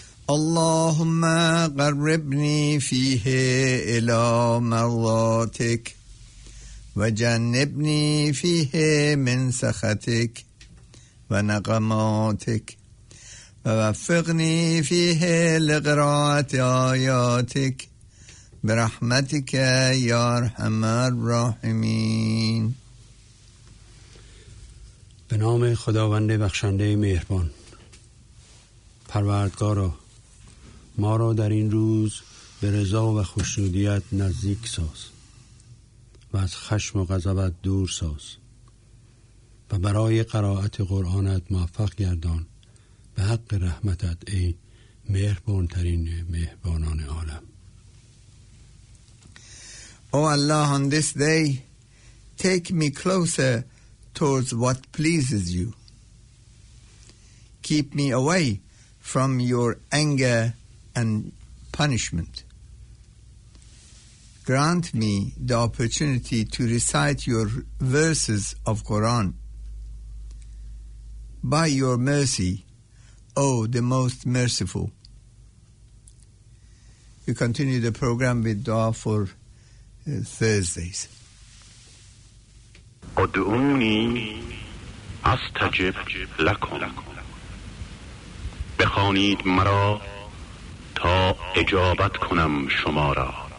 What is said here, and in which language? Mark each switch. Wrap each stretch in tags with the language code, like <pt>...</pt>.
<ar>اللهم قربني فيه إلى مرضاتك وجنبني فيه من سخطك ونقماتك، ووفقني فيه لقراءة آياتك برحمتك يا أرحم الراحمين.</ar> <fa>به نام خداوند بخشنده مهربان. پروردگارا، ما را در این روز به رضا و خوشنودیت نزدیک ساز و از خشم و غضبت دور ساز و برای قرائت قرآنت موفق گردان به حق رحمتت ای مهربان ترین مهربانان عالم.</fa> <en>او الله، on this day take me closer towards what pleases you. Keep me away from your anger and punishment. Grant me the opportunity to recite your verses of Quran. By your mercy, O the most merciful. We continue the program with dua for Thursdays.</en> <ar>ادعونی استجب لکن،</ar> <fa>بخوانید مرا تا اجابت کنم شما را.</fa>